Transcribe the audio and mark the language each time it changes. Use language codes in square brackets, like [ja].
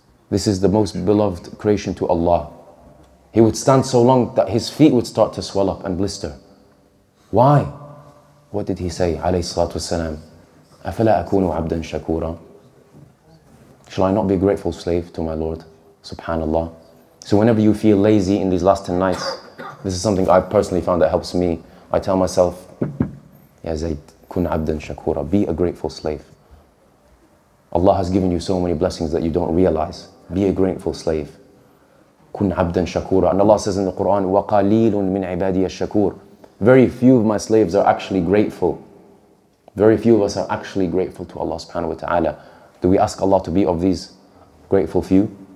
[en] This is the most beloved creation to Allah. He would stand so long that his feet would start to swell up and blister. Why? What did he say, alayhi salatu wasalam? [ar] أَفَلَا أَكُونُ عَبْدًا شَكُورًا. [en] Shall I not be a grateful slave to my Lord? Subhanallah. So whenever you feel lazy in these last 10 nights, this is something I personally found that helps me. I tell myself, [ar] يَا زَيْد, كُنْ عَبْدًا شَكُورًا. [en] Be a grateful slave. Allah has given you so many blessings that you don't realize. Be a grateful slave. [ar] كُنْ عَبْدًا شَكُورًا. [en] And Allah says in the Quran, [ar] وَقَلِيلٌ مِنْ عِبَادِيَ الشَّكُورِ. [en] Very few of my slaves are actually grateful. Very few of us are actually grateful to Allah subhanahu wa ta'ala. Do we ask Allah to be of these grateful few?